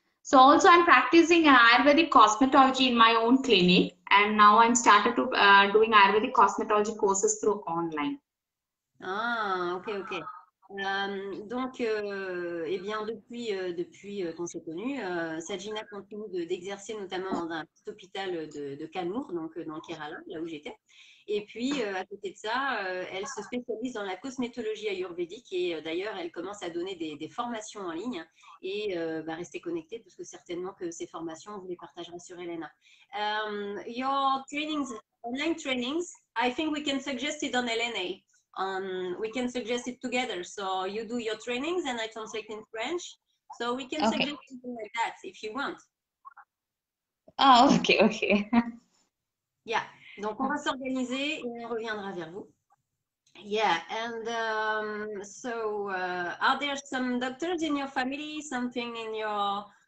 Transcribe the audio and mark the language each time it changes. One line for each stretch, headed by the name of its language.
English: So also I'm practicing Ayurvedic cosmetology in my own clinic, and now I'm started to doing Ayurvedic cosmetology courses through online. Ah, ok.
French: Donc, eh bien, depuis qu'on s'est connus, Sajina continue d'exercer notamment dans un petit hôpital de Kannur, donc dans Kerala, là où j'étais. Et puis, à côté de ça, elle se spécialise dans la cosmétologie ayurvédique et d'ailleurs, elle commence à donner des formations en ligne et bah, rester connectée parce que certainement que ces formations, vous les partagerez sur Elena.
English: Your trainings, online trainings, I think we can suggest it on LNA. We can suggest it together. So you do your trainings and I translate in French. So we can suggest something like that if you want. Oh, okay. Yeah.
French: Donc, on va s'organiser et on reviendra vers vous.
English: Yeah, and are there some doctors in your family, something in your...